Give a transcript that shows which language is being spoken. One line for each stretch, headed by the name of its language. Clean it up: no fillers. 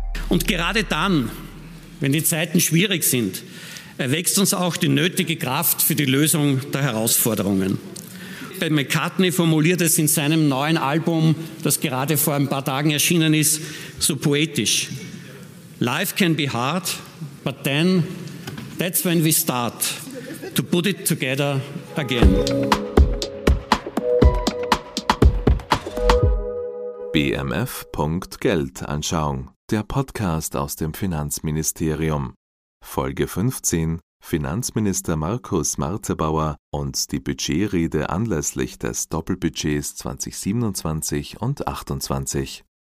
German: Und gerade dann, wenn die Zeiten schwierig sind, erwächst uns auch die nötige Kraft für die Lösung der Herausforderungen. Paul McCartney formuliert es in seinem neuen Album, das gerade vor ein paar Tagen erschienen ist, so poetisch.
English: Life can be hard, but then that's when we start to put it together again.
German: BMF.Geldanschauung, der Podcast aus dem Finanzministerium. Folge 15, Finanzminister Markus Martebauer und die Budgetrede anlässlich des Doppelbudgets 2027 und 28.